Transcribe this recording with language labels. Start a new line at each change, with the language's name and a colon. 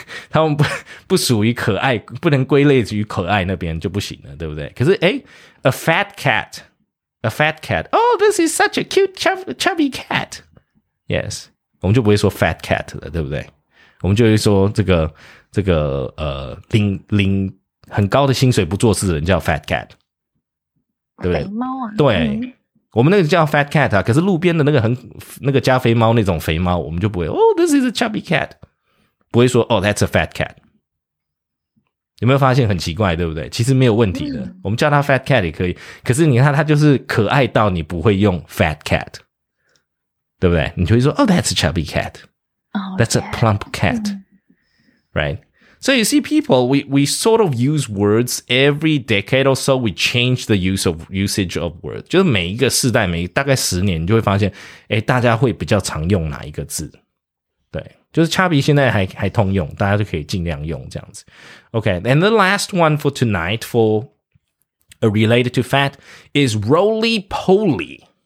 Chinese: 他们不属于可爱，不能归类于可爱那边就不行了，对不对？可是哎
English: ，a fat cat. A fat cat. Oh, this is such a cute chubby cat.
Chinese: Yes. 我们就不会说 fat cat 了，对不对？我们就会说这个领很高的薪水不做事的人叫 fat cat. 对不对？肥猫啊。对。我们那个叫 fat cat 啊，可是路边的那个加菲猫那种肥猫，我们就不会，
English: oh, this is a chubby cat.
Chinese: 不会说
English: Oh, that's a fat cat.
Chinese: 有没有发现很奇怪，对不对？其实没有问题的，我们叫它 fat cat 也可以。可是你看，它就是可爱到你不会用 fat cat， 对不对？你就会说
English: Oh, that's a chubby cat. That's a plump cat. Right. So you see, people, we sort of use words every decade or so. We change the usage of words.
Chinese: 就是每一个世代，每大概十年，你就会发现，哎，大家会比较常用哪一个字？对，就是 chubby 现在还通用，大家就可以尽量用这样子。
English: Okay, and the last one for tonight for a related to fat is roly-poly.